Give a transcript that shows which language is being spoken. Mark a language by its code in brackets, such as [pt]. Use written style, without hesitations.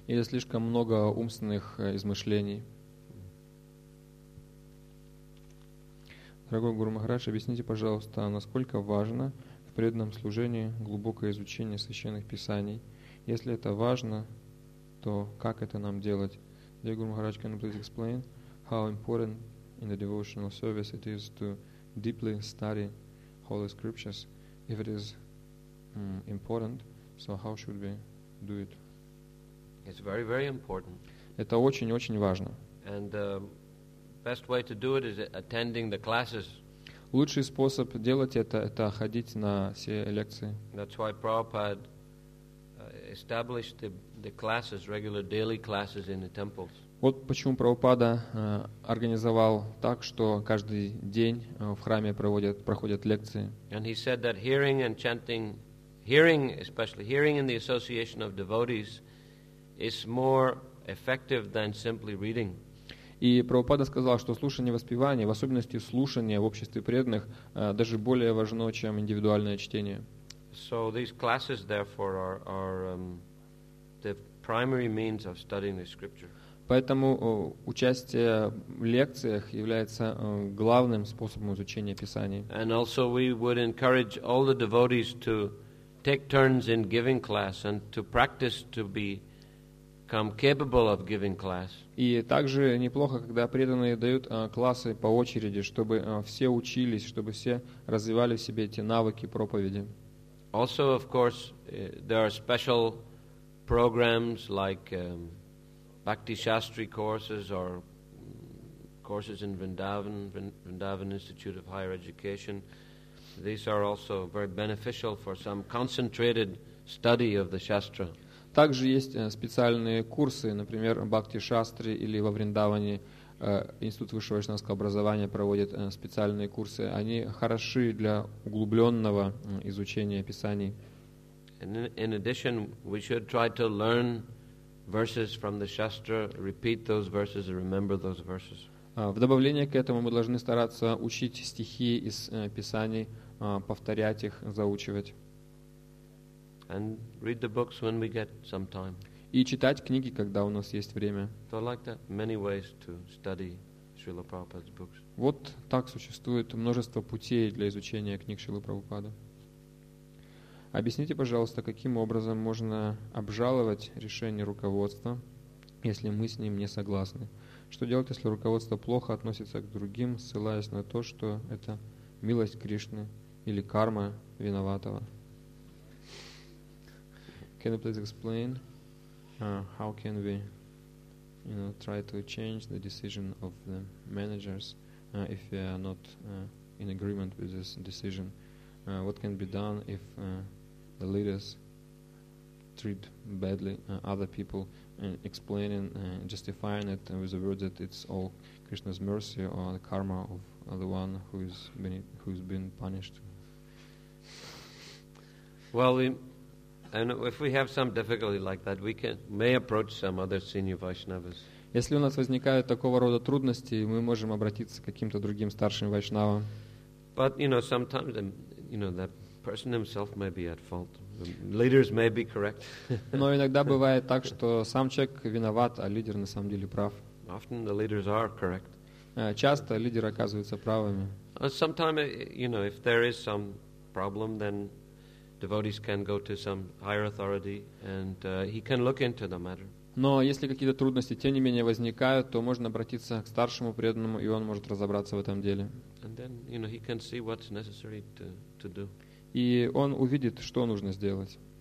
[ru] Или слишком много умственных измышлений. Дорогой Гуру Махарадж, объясните, пожалуйста, насколько важно в преданном служении глубокое изучение священных писаний. Если это важно, то как это нам делать? [en] Dear Guru Maharaj, can you please explain how important in the devotional service it is to deeply study Holy Scriptures? If it is important, so how should we do it? It's very, very important. [ru] Это очень-очень важно. [en] And the best way to do it is attending the classes. [ru] Лучший способ делать это ходить на все лекции. [en] That's why Prabhupada established the classes, regular daily classes in the temples. [ru] Вот почему Прабхупада организовал так, что каждый день в храме проходят лекции. [en] And he said that hearing and chanting, hearing especially, hearing in the association of devotees is more effective than simply reading. [ru] И Прабхупада сказал, что слушание и воспевание, в особенности слушание в обществе преданных, даже более важно, чем индивидуальное чтение. [en] So these classes, therefore, are the primary means of studying the scripture. [ru] Поэтому участие в лекциях является главным способом изучения Писания. [en] And also, we would encourage all the devotees to take turns in giving class and to practice to become capable of giving class. [ru] И также неплохо, когда преданные дают классы по очереди, чтобы все учились, чтобы все развивали в себе эти навыки проповеди. [en] Also, of course, there are special programs like Bhakti Shastri courses or courses in Vrindavan Institute of Higher Education. These are also very beneficial for some concentrated study of the Shastra. [ru] Также есть специальные курсы, например, Bhakti Shastri или во Вриндаване. Институт высшего вайшнавского образования проводит специальные курсы. Они хороши для углубленного изучения писаний. [en] In addition, we should try to learn verses from the Shastra, repeat those verses, and remember those verses. [ru] В добавление к этому мы должны стараться учить стихи из писаний, повторять их, заучивать. [en] And read the books when we get some time. [ru] И читать книги, когда у нас есть время. [en] So like that, many ways to study Srila Prabhupada's books. [ru] Вот так существует множество путей для изучения книг Шрилы Прабхупады. Объясните, пожалуйста, каким образом можно обжаловать решение руководства, если мы с ним не согласны? Что делать, если руководство плохо относится к другим, ссылаясь на то, что это милость Кришны или карма виноватого? [en] Can you please explain how can we, you know, try to change the decision of the managers if we are not in agreement with this decision? What can be done if the leaders treat badly other people, explaining, justifying it with the word that it's all Krishna's mercy or the karma of the one who's been punished? Well, and if we have some difficulty like that, we may approach some other senior Vaishnavas. [ru] Если у нас возникают такого рода трудности, мы можем обратиться к каким-то другим старшим вайшнавам. [en] But you know, sometimes that person himself may be at fault. The leaders may be correct. [ru] Но иногда бывает так, что сам человек виноват, а лидер на самом деле прав. [en] Often the leaders are correct. [ru] Часто лидеры оказываются правыми. [en] Sometimes, you know, if there is some problem, then devotees can go to some higher authority and he can look into the matter. [ru] Но если какие-то трудности тем не менее возникают, то можно обратиться к старшему преданному, и он может разобраться в этом деле. [en] And then, you know, he can see what's necessary to do. [ru] И он увидит, что нужно сделать.